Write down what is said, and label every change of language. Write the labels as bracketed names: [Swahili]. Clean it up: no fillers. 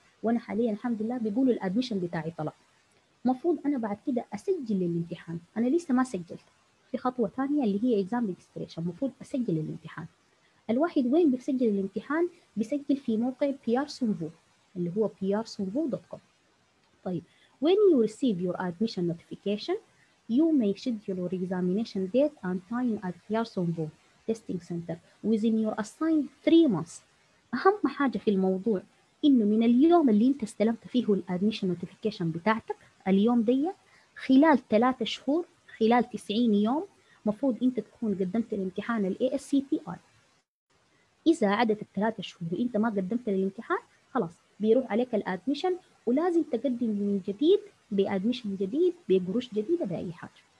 [Arabic] وأنا حاليا الحمد لله بيقولوا الـ admission بتاعي طلب، مفروض أنا بعد كده أسجل للامتحان. أنا لسه ما سجلت، في خطوة ثانية اللي هي exam registration، مفروض أسجل للامتحان. الواحد وين بيسجل الامتحان؟ بيسجل في موقع PRSUNVU اللي هو PRSUNVU.com. [English] طيب when you receive your admission notification you may schedule your examination date and time at PRSUNVU testing center within your assigned 3 months. [Arabic] أهم حاجة في الموضوع إنه من اليوم اللي انت استلمت فيه الادميشن نوتيفيكيشن بتاعتك اليوم دي خلال 3 شهور، خلال 90 يوم، مفروض انت تكون قدمت الامتحان الـ ASCPI. إذا عدت 3 شهور وإنت ما قدمت للامتحان خلاص بيروح عليك الادميشن، ولازم تقدم من جديد بادميشن جديد بقروش جديدة بأي حاجة.